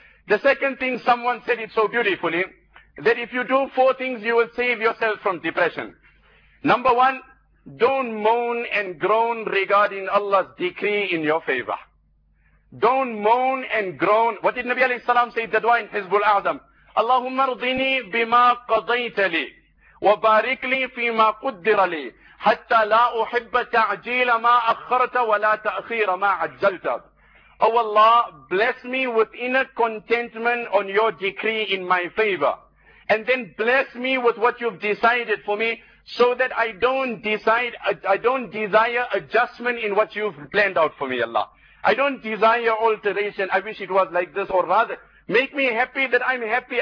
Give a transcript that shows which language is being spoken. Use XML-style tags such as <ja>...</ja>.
<en>The second thing, someone said it so beautifully, that if you do four things, you will save yourself from depression. Number one, don't moan and groan regarding Allah's decree in your favor. Don't moan and groan. What did Nabi alayhi salam say, the dua in Hizbul Adam?</en> <ar>Allahumma ardini bima qadaytali. وبارك لي فيما قدر لي حتى لا أحب تعجيل ما أخرت ولا تأخير ما عجلت.</ar> <en>Oh Allah, bless me with inner contentment on your decree in my favor. And then bless me with what you've decided for me so that I don't desire adjustment in what you've planned out for me, Allah. I don't desire alteration. I wish it was like this, or rather, make me happy that I'm happy.</en>